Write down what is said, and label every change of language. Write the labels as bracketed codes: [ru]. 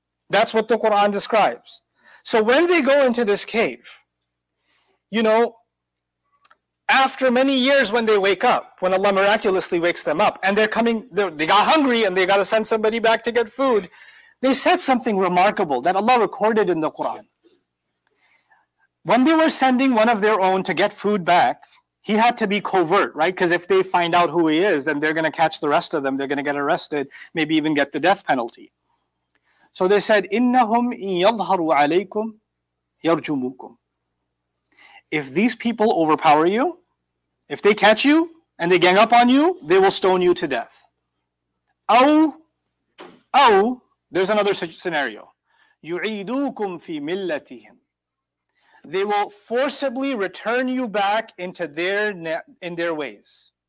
[en] That's what the Quran describes. So when they go into this cave, you know, after many years when they wake up, when Allah miraculously wakes them up, and they're coming, they got hungry and they got to send somebody back to get food, they said something remarkable that Allah recorded in the Quran. When they were sending one of their own to get food back, he had to be covert, right? Because if they find out who he is, then they're going to catch the rest of them. They're going to get arrested, maybe even get the death penalty. So they said, [ar] إِنَّهُمْ إِنْ يَظْهَرُوا عَلَيْكُمْ يَرْجُمُوكُمْ. [en] If these people overpower you, if they catch you and they gang up on you, they will stone you to death. أو, there's another scenario. [ar] يُعِيدُوكُمْ فِي مِلَّتِهِمْ. [en] They will forcibly return you back into their ways.